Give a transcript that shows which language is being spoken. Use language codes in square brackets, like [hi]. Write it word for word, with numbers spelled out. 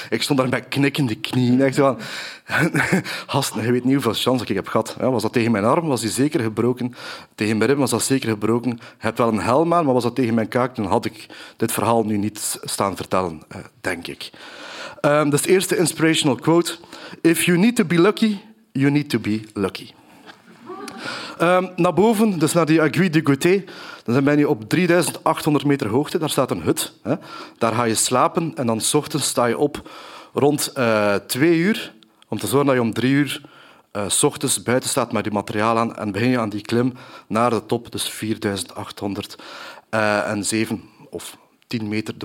[nl] Ik stond daar met knikkende knieën. Echt zo van... Gast, je weet niet hoeveel chance ik heb gehad. Was dat tegen mijn arm, was die zeker gebroken. Tegen mijn rib was dat zeker gebroken. Je hebt wel een helm aan, maar was dat tegen mijn kaak... dan had ik dit verhaal nu niet staan vertellen, denk ik. Um, dat is de eerste inspirational quote. [en] If you need to be lucky, you need to be lucky. [nl] Um, naar boven, dus naar die Aiguille du Côté. Dan ben je op drieduizend achthonderd meter hoogte. Daar staat een hut. Hè. Daar ga je slapen en dan 's ochtends sta je op rond uh, twee uur om te zorgen dat je om drie uur uh, 's ochtends buiten staat met je materiaal aan en begin je aan die klim naar de top, dus vierduizend achthonderd en zeven of tien meter.